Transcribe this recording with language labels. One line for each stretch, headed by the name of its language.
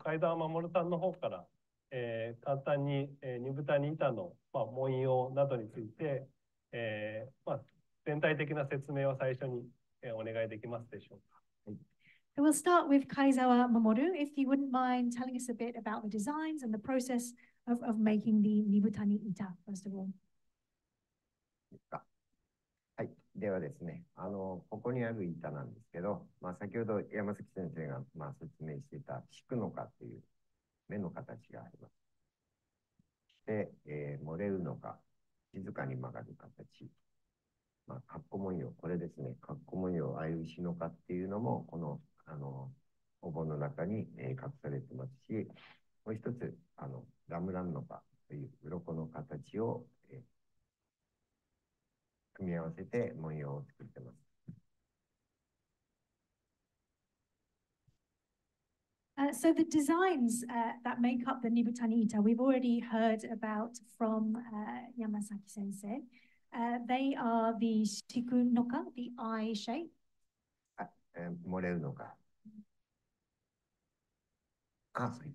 Japanese: Kaizawa Mamoru-san の方から、簡単に、Nibutani Ita の、まあ、文様などについて、まあ、全体的な説明を最初に、お願いできますでしょうか。
English: We'll start with Kaizawa Mamoru, if you wouldn't mind telling us a bit about the designs and the process of making the Nibutani Ita, first of all.
Japanese: はい、ではですね、ここにある板なんですけど、まあ、先ほど山崎先生が、まあ、説明していた敷くのかっていう目の形があります。で、漏れるのか、静かに曲がる形。まあ、カッコ文様、これですね、カッコ文様、ああいう石のかっていうのも、このお盆の中に、隠されてますし、もう一つラムランノカという鱗の形を、組み合わせて文様を作ってます。
English: So the designs that make up the Nibutani Ita, we've already heard about from Yamasaki sensei. They are the shiku no ka, the eye shape.
Ainu: Moreru no ka.